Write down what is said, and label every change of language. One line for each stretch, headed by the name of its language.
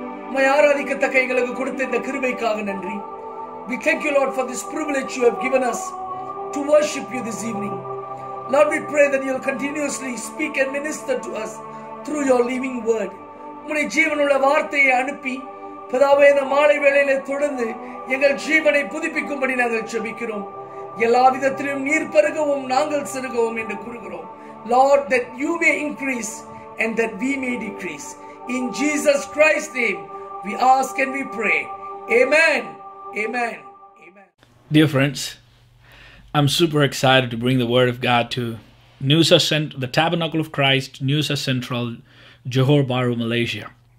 Tamil: நன்றி.
English: We thank you, Lord, for this privilege you have given us to worship you this evening. Lord, we pray that you'll continuously speak and minister to us through your living word.
Tamil: உம்முடைய ஜீவனுள்ள வார்த்தையை அனுப்பி பிதாவே, இந்த மாலை வேளையில தொடர்ந்து எங்கள் ஜீவனை புதுப்பிக்கும்படி நாங்கள் ஜெபிக்கிறோம். எல்லா விதத்திலும் நீர் பெருகவும் நாங்கள் செருகவும் என்று கூறுகிறோம்.
English: Lord, that you may increase and that we may decrease. In Jesus Christ's name, we ask and we pray. Amen. Amen. Amen. Dear friends, I'm super excited to bring the Word of God to Nusa Central, the Tabernacle of Christ, Nusa Central, Johor Bahru, Malaysia.